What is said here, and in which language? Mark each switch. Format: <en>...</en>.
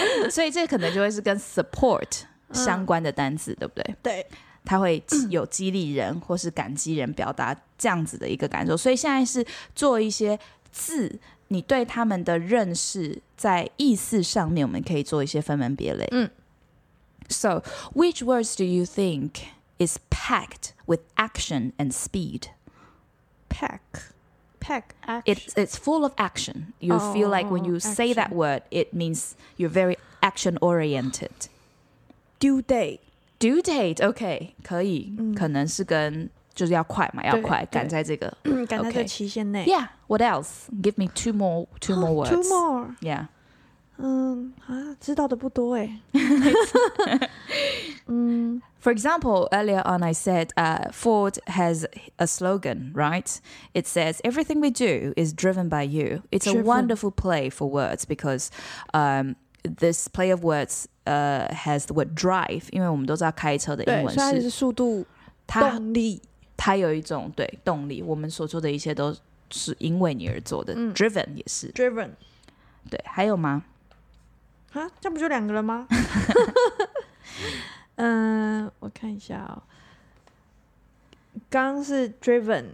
<zh>所以这可能就会是跟 support 相关的单字、嗯、对不对对他会有激励人或是感激人表达这样子的一个感受所以现在是做一些字你对他们的认识在意思上面我们可以做一些分门别类、嗯、</zh> <en>So which words do you think is packed with action and speed? Pack it's full of action You、oh, feel like when you、 action. say that word it means you're very action oriented Due date Due date, OK,</en> <zh>可以、嗯、可能是跟就是要快嘛要快赶在这个赶、</zh> <en>okay.</en> <zh>在这个期限内</zh> <en>Yeah, what else? Give me two more words Two more Yeah</en> <zh>嗯、知道的不多耶、欸、</zh> <en>For example, earlier on I said、Ford has a slogan, right? It says, everything we do is driven by you It's driven. A wonderful play for words because、this play of words has the word drive</en> <zh>因为我们都知道开车的英文是对所以它是速度动力它有一种对动力我们所做的一切都是因为你而做的、嗯、 driven 也是</zh> <en>driven</en> <zh>对还有吗蛤这不就两个了吗我看一下哦刚是 driven、</zh>